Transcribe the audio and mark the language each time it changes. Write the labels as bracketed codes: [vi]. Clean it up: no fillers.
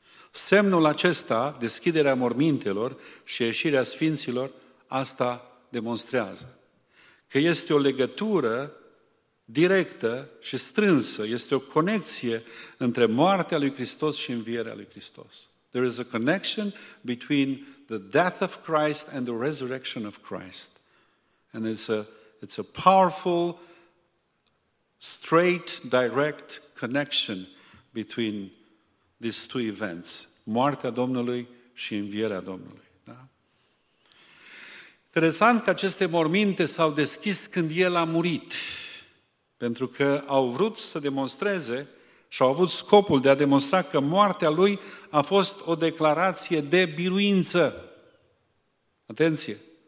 [ro] Semnul acesta, deschiderea mormintelor și ieșirea sfinților, asta demonstrează că este o legătură directă și strânsă, este o conexie între moartea lui Hristos și învierea lui Hristos. [en] There is a connection between the death of Christ and the resurrection of Christ. And it's a powerful, straight, direct connection between these two events. [ro] Moartea Domnului și învierea Domnului. Da? Interesant că aceste morminte s-au deschis când El a murit. Pentru că au vrut să demonstreze și au avut scopul de a demonstra că moartea lui a fost o declarație de biruință. Atenție!